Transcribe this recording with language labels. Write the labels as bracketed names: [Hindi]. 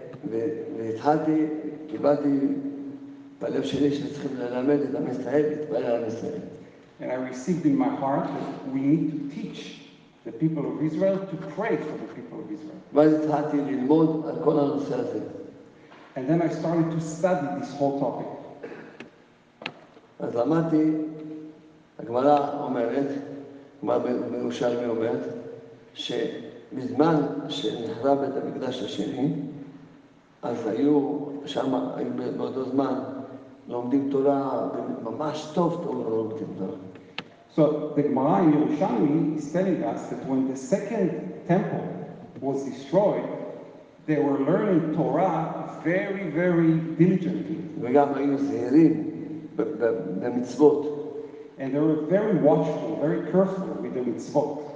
[Hebrew] והתחלתי, קיבלתי בלב שלי שצריכים ללמד את עם ישראל, להתפעל על ישראל. [English] And I received in my heart that we need to teach the people of Israel to pray for the people of Israel. [Hebrew] ואז התחלתי ללמוד על כל הנושא הזה. [English] And then I started to study this whole topic. [Hebrew] אז למדתי, הגמרא אומרת, מה מירושלמי אומרת, שבזמן שנחרב את המקדש השני, אז היו שם, היו באותו זמן, לומדים תורה, ממש טוב טוב לומדים תורה. [English] So the Gemara in Yerushalmi is telling us that when the second temple was destroyed, they were learning Torah very, very diligently. [Hebrew] וגם היו זהירים במצוות. [English] And they were very watchful, very careful with the mitzvot.